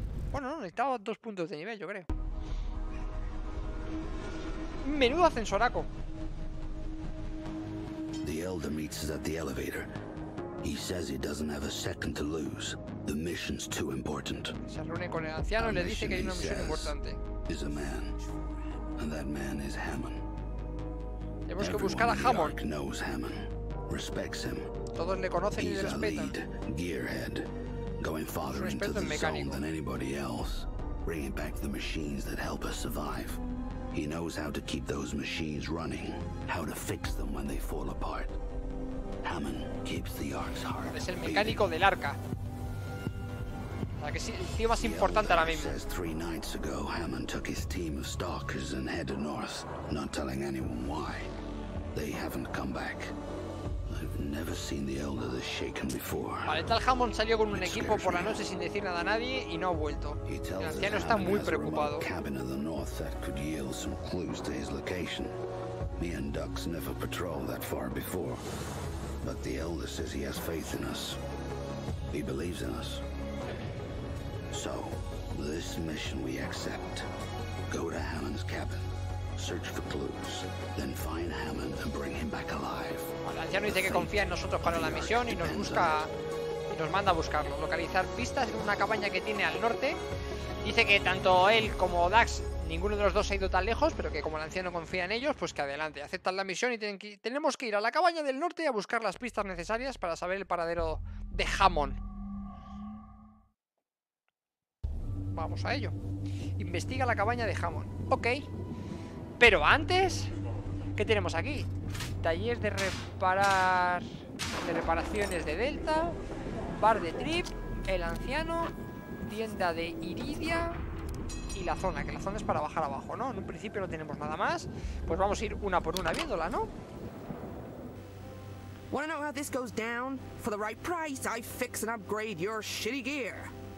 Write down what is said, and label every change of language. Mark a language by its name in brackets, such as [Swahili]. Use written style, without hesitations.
[Spanish] Bueno, no, necesitaba 2 puntos de nivel, yo creo. Menudo ascensoraco. [English] The Elder meets us at the elevator. He says he doesn't have a second to lose. The mission's too important. [Spanish] Se reúne con el anciano y le dice que hay una misión importante. [English] Is a man, and that man is Hammond. [Spanish] Tenemos que buscar a Hammond. [English] Everyone knows Hammond, respects him. [Spanish] Todos le conocen y le respetan. [English] Going farther into the zone than anybody else, bringing back the machines that help us survive. He knows how to keep those machines running, how to fix them when they fall apart. Hammond keeps the Ark's heart. [Spanish] Es el mecánico del arca. La que sí, más importante ahora mismo. [English] Says three nights ago, Hammond took his team of stalkers and headed north, not telling anyone why. They haven't come back. I've never seen the Elder this shaken before. [Spanish] Vale, tal Hammond salió con un equipo por la noche sin decir nada a nadie y no ha vuelto. El anciano está muy preocupado. [English] Cabin in the north that could yield some clues to his location. Me and Dux never patrolled that far before, but the Elder says he has faith in us. He believes in us. So, this mission we accept. Go to Hammond's cabin. Search for clues, then find Hammond and bring him back alive. [Spanish] Bueno, el anciano dice que confía en nosotros para la misión y nos busca y nos manda a buscarlo. Localizar pistas en una cabaña que tiene al norte. Dice que tanto él como Dax, ninguno de los dos ha ido tan lejos, pero que como el anciano confía en ellos, pues que adelante, aceptan la misión y tenemos que ir a la cabaña del norte a buscar las pistas necesarias para saber el paradero de Hammond. Vamos a ello. Investiga la cabaña de Hammond. Ok. Pero antes, ¿qué tenemos aquí? Taller de reparar, de reparaciones de Delta, bar de Trip, el anciano, tienda de Iridia y la zona, que la zona es para bajar abajo, ¿no? En un principio no tenemos nada más, pues vamos a ir una por una viéndola, ¿no? [English] Want to know how this goes down? For the right price, I fix and upgrade your shitty gear.